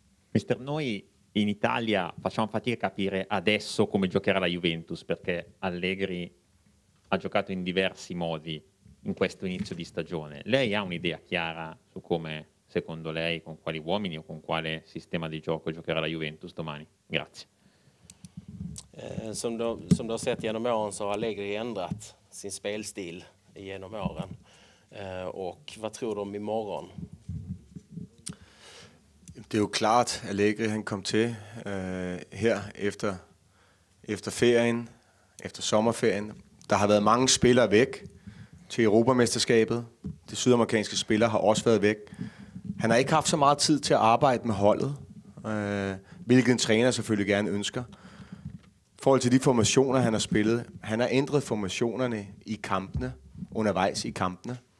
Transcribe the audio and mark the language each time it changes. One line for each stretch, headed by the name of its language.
Italian: Mister, noi in Italia facciamo fatica a capire adesso come giocherà la Juventus, perché Allegri ha giocato in diversi modi in questo inizio di stagione. Lei ha un'idea chiara su come, secondo lei, con quali uomini o con quale sistema di gioco giocherà la Juventus domani? Grazie.
Swedish: Som du har sett genom åren så har Allegri ändrat sin spelstil genom åren. Och vad tror du om imorgon? Det är ju klart att Allegri han kom till här efter ferien, efter sommarferien. Det har varit många spelare väck till Europamästerskapet. De sydamerikanska spelare har också varit väck. Han har inte haft så mycket tid till att arbeta med hållet, vilket en tränare självklart gärna önskar.
Danish: I forhold til de formationer, han har spillet, han har ændret formationerne i kampene, undervejs i kampene.